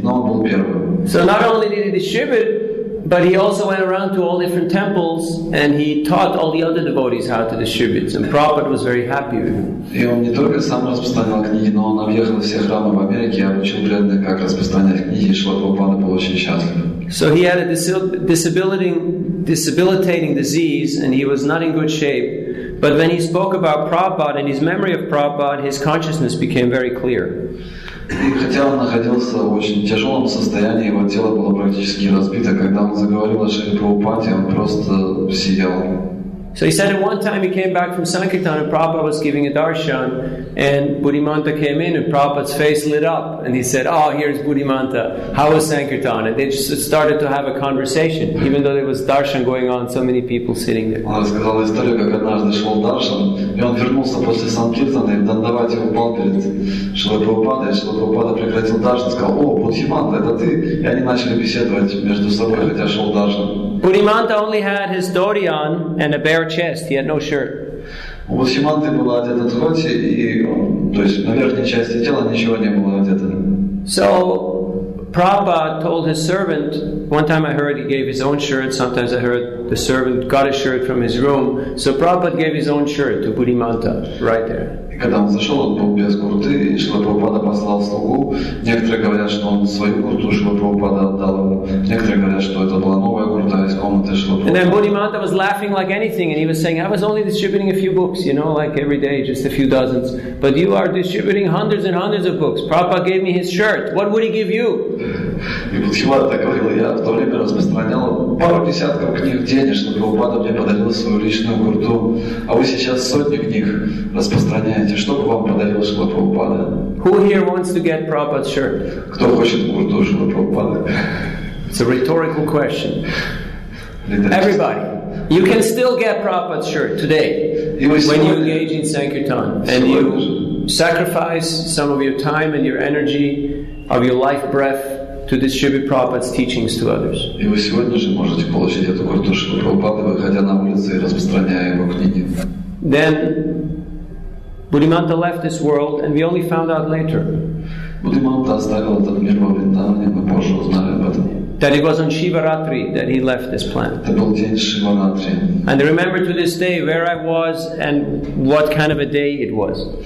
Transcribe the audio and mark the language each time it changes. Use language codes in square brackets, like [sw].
[ru] Но он был первым. [en] So not only did he distribute, but he also went around to all different temples and he taught all the other devotees how to distribute. And Prabhupada was very happy with him. [ru] И он не только сам распространял книги, но он объехал все храмы в Америке и обучил преданных, как распространять книги. И Шрила Прабхупада был очень счастлив. [en] So he had a disabilitating disease and he was not in good shape. But when he spoke about Prabhupada and his memory of Prabhupada, his consciousness became very clear. [ru] И хотя он находился в очень тяжелом состоянии, его тело было практически разбито, когда он заговорил о Шриле Прабхупаде, он просто сиял. [en] So he said at one time he came back from Sankirtan and Prabhupada was giving a darshan and Buddhimanta came in and Prabhupada's face lit up and he said, oh, here's Buddhimanta, how was Sankirtan? And they just started to have a conversation, even though there was darshan going on, so many people sitting there. [ru] Он рассказал историю, как однажды шел даршан, и он вернулся после Санкиртана, и Дандавати упал перед Шрилой Прабхупадой, и Шрила Прабхупада прекратил даршан, сказал, о, Буддхиманта, это ты? И они начали беседовать между собой, хотя шел даршан. [en] Buddhimanta only had his dhoti on and a bare chest. He had no shirt. So Prabhupada told his servant, one time I heard he gave his own shirt, sometimes I heard the servant got a shirt from his room. So Prabhupada gave his own shirt to Buddhimanta right there. [ru] Когда он зашел, он был без курты, и Шрила Прабхупада послал слугу. Некоторые говорят, что он свою курту Шрила Прабхупада отдал ему. Некоторые говорят, что это была новая курта из комнаты Шрила Прабхупада. [en] And then Buddhimanta was laughing like anything, and he was saying, I was only distributing a few books, you know, like every day, just a few dozens. But you are distributing hundreds and hundreds of books. Prabhupada gave me his shirt. What would he give you? [ru] И Буддхиманта говорил, я в то время распространял пару десятков книг в день, Шрила Прабхупада мне подарил свою личную курту. А вы сейчас сотни книг распространяете. [en] Who here wants to get Prabhupada's shirt? [ru] Кто хочет курту Шрилы Прабхупады? [en] It's a rhetorical question. Everybody, you can still get Prabhupada's shirt today when you engage in Sankirtan and you sacrifice some of your time and your energy, of your life breath, to distribute Prabhupada's teachings to others. [ru] И вы сегодня же можете получить эту курту Шрилы Прабхупады, выходя на улицу и распространяя его книги. [en] Then Buddhimanta left this world and we only found out later that it was on Shivaratri that he left this planet. And I remember to this day where I was and what kind of a day it was.